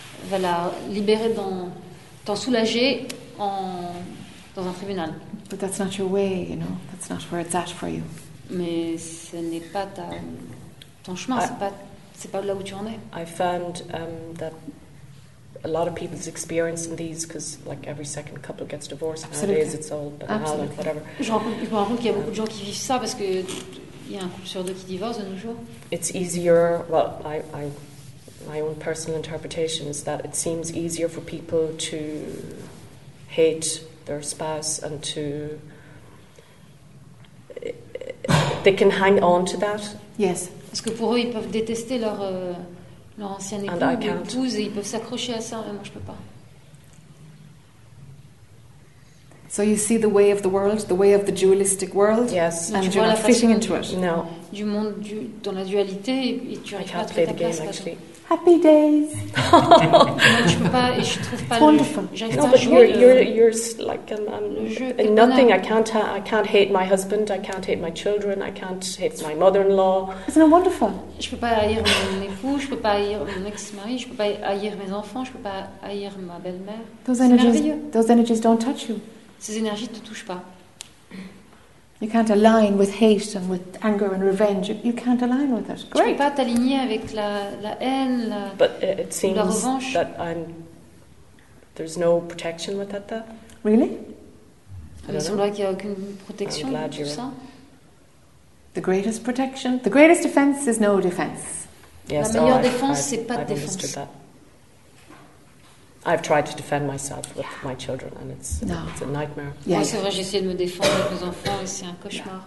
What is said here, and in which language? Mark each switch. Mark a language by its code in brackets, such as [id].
[fr] Va la libérer dans t'en soulager en dans un tribunal. [en] But that's not your way, you know. That's not where it's at for you. [fr] Mais ce n'est pas ta ton chemin, c'est pas là où tu en es. [en] I found that a lot of people's experience in these, because like every second couple gets divorced Absolutely. Nowadays, it's all banal Absolutely. And whatever. [fr] Je me rends compte qu'il y a beaucoup de gens qui vivent ça parce qu'il y a un couple sur deux qui divorce de nos jours. [en] It's easier. Well, I my own personal interpretation is that it seems easier for people to hate their spouse and to they can hang on to that. Yes. [fr] Parce que pour eux, ils peuvent détester leur ancienne épouse et ils peuvent s'accrocher à ça, mais moi, je ne peux pas. [en] So you see the way of the world, the way of the dualistic world, yes. and you're not fitting into it. No. [fr] Du monde dans la dualité et tu n'arrives pas à trouver ta place. [en] Happy days. [fr] Moi, je ne peux pas et je ne trouve pas [en] wonderful. No, but you're like nothing. I can't hate my husband. I can't hate my children. I can't hate my mother-in-law. Isn't it wonderful? [fr] Je ne peux pas haïr mon époux. Je ne peux pas haïr mon ex-mari. Je ne peux pas haïr mes enfants. Je ne peux pas haïr ma belle-mère. [en] Those energies don't touch you. [fr] Ces énergies ne te touchent pas. [en] You can't align with hate and with anger and revenge. You can't align with it. Great. [fr] Tu peux pas t'aligner avec la haine, la revanche. [en] But it seems that there's no protection with that. Though. Really? [fr] Il semble qu'il y a aucune protection pour ça. [en] The greatest protection, the greatest defense is no defense. Yes, [fr] la meilleure défense, [en] I've, [fr] c'est pas [en] I've [fr] de défense. [en] That. I've tried to defend myself with my children, and it's a nightmare. Yeah. [fr] Oui, c'est vrai, j'ai essayé de me défendre avec mes enfants, et c'est un cauchemar.